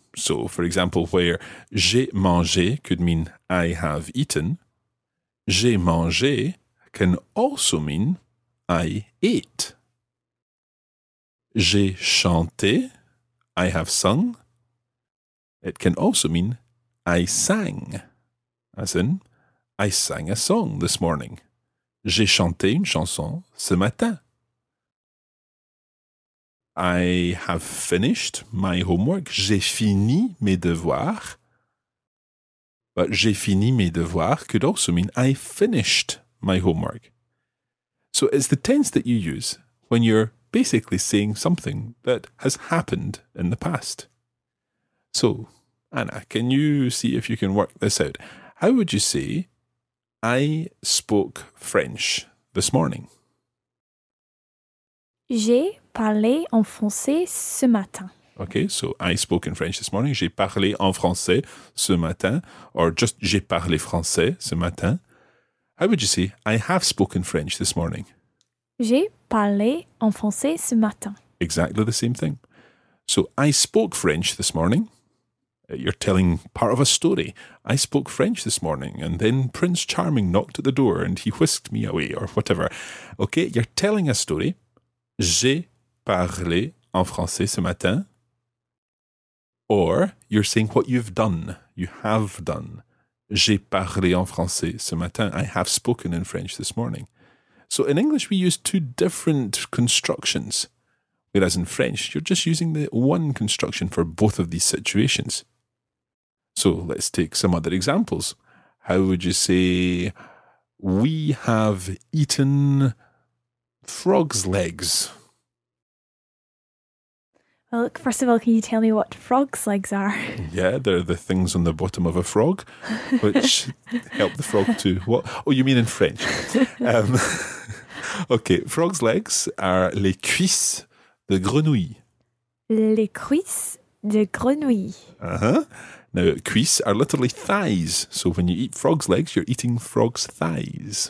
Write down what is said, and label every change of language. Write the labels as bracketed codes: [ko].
[en] So, for example, where j'ai mangé could mean I have eaten, j'ai mangé can also mean I ate. [fr] J'ai chanté, [en] I have sung. It can also mean I sang, as in I sang a song this morning. [fr] J'ai chanté une chanson ce matin. [en] I have finished my homework. [fr] J'ai fini mes devoirs. [en] But [fr] j'ai fini mes devoirs [en] could also mean I finished my homework. So it's the tense that you use when you're basically saying something that has happened in the past. So, Anna, can you see if you can work this out? How would you say, I spoke French this morning? [fr] J'ai parlé en français ce matin. [en] Okay, so I spoke in French this morning. [fr] J'ai parlé en français ce matin. Or just, j'ai parlé français ce matin. [en] How would you say, I have spoken French this morning? [fr] J'ai parlé en français ce matin. [en] Exactly the same thing. So, I spoke French this morning. You're telling part of a story. I spoke French this morning, and then Prince Charming knocked at the door and he whisked me away, or whatever. Okay, you're telling a story. [fr] J'ai parlé en français ce matin. [en] Or, you're saying what you've done. You have done. [fr] J'ai parlé en français ce matin. [en] I have spoken in French this morning. So in English, we use two different constructions, whereas in French, you're just using the one construction for both of these situations. So let's take some other examples. How would you say, we have eaten frog's legs? Well, look, first of all, can you tell me what frog's legs are? Yeah, they're the things on the bottom of a frog, which help the frog to... What? Oh, you mean in French. Okay, frog's legs are [fr] les cuisses de grenouille. Les cuisses de grenouille. Uh-huh. [en] Now, cuisses are literally thighs. So when you eat frog's legs, you're eating frog's thighs.